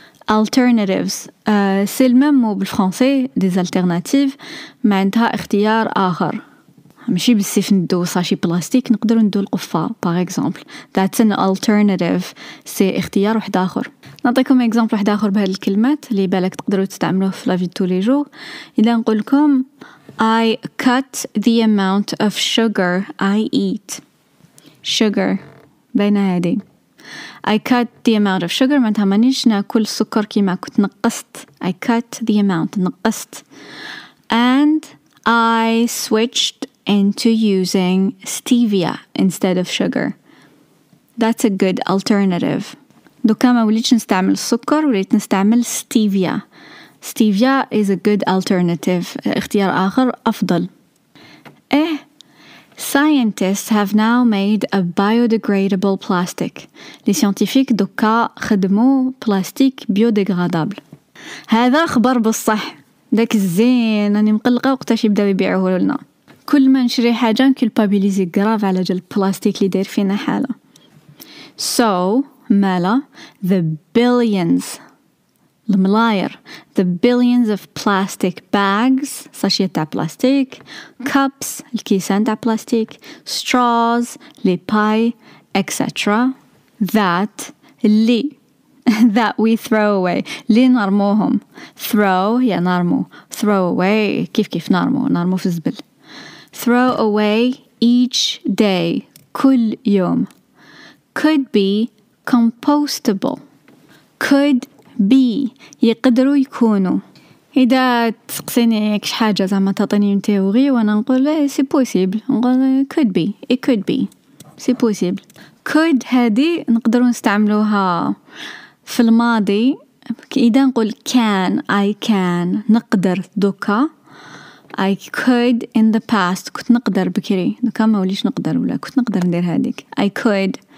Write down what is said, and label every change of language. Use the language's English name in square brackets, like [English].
[Arabic] alternatives سي المم بالفرنسي des alternatives معناتها اختيار آخر، ماشي بالسيف ندو ساشي بلاستيك، نقدروا ندو القفة باغ اكزامبل، ذاتس ان alternative سي اختيار واحد اخر. نعطيكم اكزامبل واحد اخر بهذه الكلمات اللي بالك تقدروا تستعملوه في لا في تو لي جو. [English] اذا نقول لكم I cut the amount of sugar I eat. [Arabic] sugar بين هادي I cut the amount of sugar معناتها مانيش ناكل السكر كيما كنت، نقصت. [English] I cut the amount نقصت. and I switched into using stevia instead of sugar. That's a good alternative. [Arabic] دوكا ما وليتش نستعمل السكر، وليت نستعمل stevia. [English] stevia is a good alternative. [Arabic] اختيار آخر أفضل. إيه؟ Scientists have now made a biodegradable plastic. لي سيانتيفيك دوكا خدموا بلاستيك بيوديغرادابل. هذا خبر بالصح داك الزين، راني مقلقه وقتاش يبداو يبيعوه لنا. كل ما نشري حاجه نكولبابيليزي غراف على جال البلاستيك اللي داير فينا حاله. [English] So مالا the billions الملاير the billions of plastic bags ساشية تاع بلاستيك، cups الكيسان تاع بلاستيك، straws لي باي etc. that we throw away لي نرموهم. [Arabic] throw يا نرمو، throw away كيف نرمو في الزبل. [English] throw away each day كل يوم. could be compostable could be يقدروا يكونوا. [Arabic] اذا تسقسيني كش حاجه زعما تعطيني تيوري وانا نقول سي بوسيبل، نقول كود بي اي كود بي سي بوسيبل. كود هذه نقدروا نستعملوها في الماضي، اذا نقول كان اي كان نقدر دوكا، اي كود ان ذا باست كنت نقدر بكري دوكا ما وليش نقدر ولا كنت نقدر ندير هذيك اي كود.